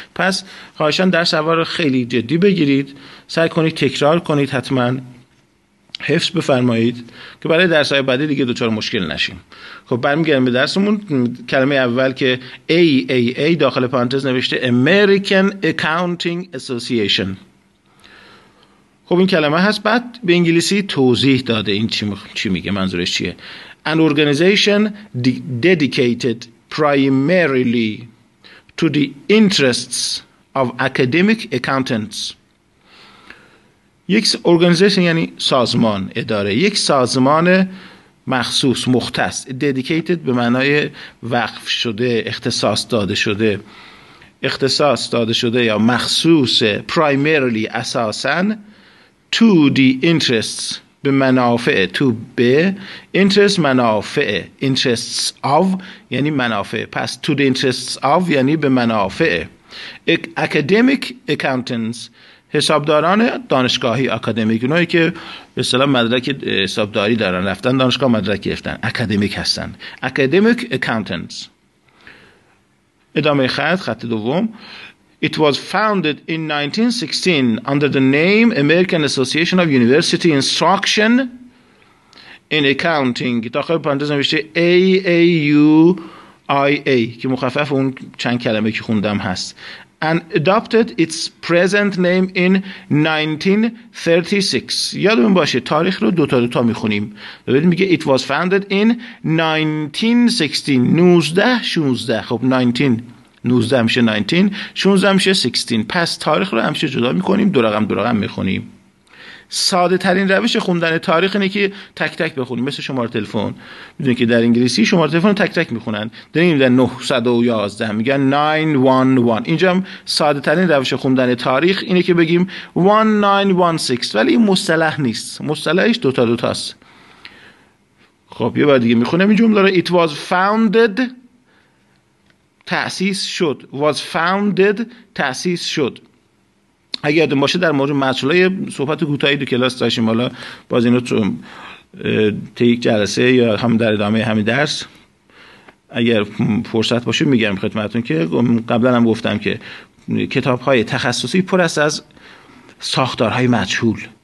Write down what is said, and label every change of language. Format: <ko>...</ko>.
<fa>پس خواهشان درس اول رو خیلی جدی بگیرید، سعی کنید تکرار کنید، حتما حفظ بفرمایید که برای درس‌های بعدی دیگه دچار مشکل نشیم. خب برمیگردیم به درسمون. کلمه اول که AAA داخل پرانتز نوشته American Accounting Association، خب این کلمه هست. بعد به انگلیسی توضیح داده این چی میگه، منظورش چیه.</fa> <en>An organization dedicated primarily to the interests of academic accountants.</en> <fa>یک organization یعنی سازمان، اداره. یک سازمان مخصوص، مختص. Dedicated به معنای وقف شده، اختصاص داده شده. اختصاص داده شده یا مخصوص، primarily اساساً،</fa> <en>to the interests</en> <fa>به منافع، to به interest منافع،</fa> <en>interests of</en> <fa>یعنی منافع، پس to the interests of یعنی به منافع،</fa> <en>academic accountants</en> <fa>حسابداران دانشگاهی، academic اونایی که به اصطلاح مدرک حسابداری دارن، رفتن دانشگاه مدرک گرفتن، academic هستن، academic accountants. ادامه خط، خط دوم.</fa> <en>It was founded in 1916 under the name American Association of University Instruction in Accounting.</en> <fa>داخل پرانتز نوشته AAUIA که مخفف اون چند کلمه که خوندم هست.</fa> <en>And adopted its present name in 1936.</en> <fa>یادمون باشه تاریخ رو دوتا دوتا میخونیم. ببینید میگه</fa> <en>It was founded in 1916.</en> <fa>1916. خب 19 میشه 19، 16 میشه 16. پس تاریخ رو همیشه جدا میکنیم، دو رقم دو رقم میخونیم. ساده ترین روش خوندن تاریخ اینه که تک تک بخونیم، مثل شماره تلفن. میدونید که در انگلیسی شماره تلفن رو تک تک میخونن. داریم در 911 میگن 911. اینجا هم ساده ترین روش خوندن تاریخ اینه که بگیم 1916، ولی این مصطلح نیست، مصطلحش دوتا دوتاست. خب یه بار دیگه میخونم این جمله رو.</fa> <en>It was founded،</en> <fa>تأسیس شد،</fa> <en>was founded، تأسیس شد.</en> <fa>اگه یادم باشه در مورد مسئله صحبت کوتاهی دو کلاس داشتیم، حالا باز اینو تو یک جلسه یا هم در ادامه همین درس اگر فرصت باشه میگم خدمتتون که قبلا هم گفتم که کتاب‌های تخصصی پر است از ساختارهای مجهول.</fa>